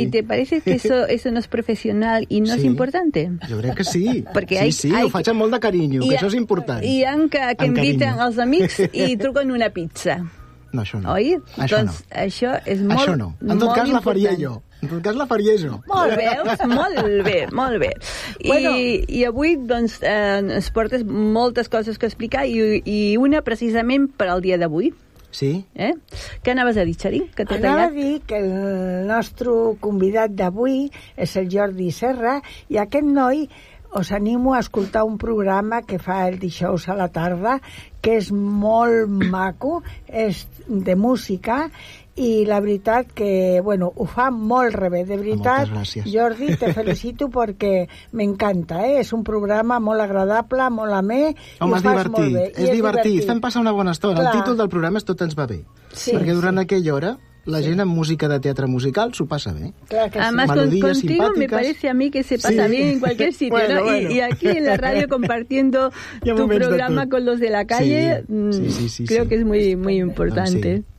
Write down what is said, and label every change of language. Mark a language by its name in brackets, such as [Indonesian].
[Spanish] I te parece que eso no es profesional i no sí. Es importante. [Catalan] Jo crec que sí. Perquè ho faig amb molt de carinyo, que això és important. I han que inviten els amics i truquen una pizza. No, això no. Oi? Això doncs no. Això és molt important. Això no. En tot cas, important. La faria jo. En tot cas, la faria jo. Molt bé, molt bé. Bueno. I avui, doncs, ens portes moltes coses que explicar i una precisament per al dia d'avui. Sí. Què anaves a dir, Xeri? Anava a dir que el nostre convidat d'avui és el Jordi Serra i aquest noi us animo a escoltar un programa que fa el dijous a la tarda que és molt maco, és de música i la veritat que bueno, ho fa molt rebé, de veritat. Moltes gràcies. Jordi, [Spanish] te felicito [Catalan] perquè m'encanta, és un programa molt agradable, molt amè. Home, és divertit, és divertit. Estem passant una bona estona. Clar. El títol del programa és Tot ens va bé, sí, perquè durant sí. aquella hora la gent amb música de teatre musical s'ho passa bé. Clar que sí. [Spanish] Además, contigo me parece a mí que se pasa sí. bien en cualquier sitio. Bueno, ¿no? Bueno. Y aquí en la radio compartiendo tu programa con los de la calle, sí, creo sí. que es muy, muy importante.